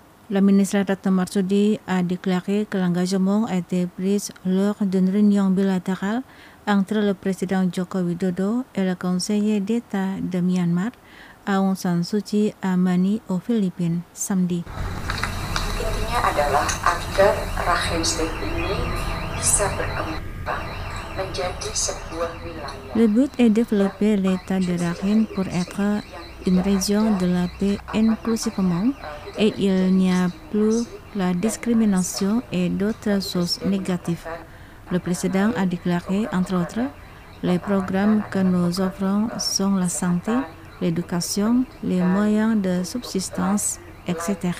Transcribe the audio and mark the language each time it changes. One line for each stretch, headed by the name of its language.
French: La ministre Retno Marsudi a déclaré que l'engagement a été pris lors d'une réunion bilatérale entre le président Joko Widodo et le conseiller d'État de Myanmar, Aung San Suu Kyi, à Manille, aux Philippines, samedi.
Indonesian: Intinya adalah agar Rakhine State ini bisa berkembang menjadi sebuah wilayah.
French: Le but est de développer l'État de Rakhine pour être une région de la paix inclusivement et il n'y a plus la discrimination et d'autres choses négatives. Le président a déclaré, entre autres, les programmes que nous offrons sont la santé, l'éducation, les moyens de subsistance, etc.